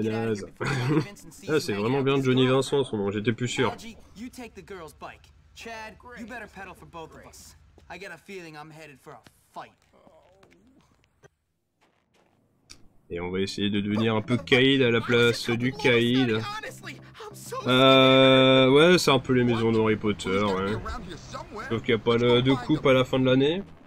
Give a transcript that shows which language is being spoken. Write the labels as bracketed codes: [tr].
[en] get out of here before Vincent sees. [fr] Ah, c'est vraiment bien de Johnny Vincent en ce moment, j'étais plus sûr. [en] You take the girl's bike. Chad, you better pedal for both of us. I got a feeling I'm headed for a fight. [fr] Et on va essayer de devenir un peu caïd à la place du caïd. Ouais, c'est un peu les maisons d'Harry Potter, ouais. Sauf qu'il n'y a pas de coupe à la fin de l'année.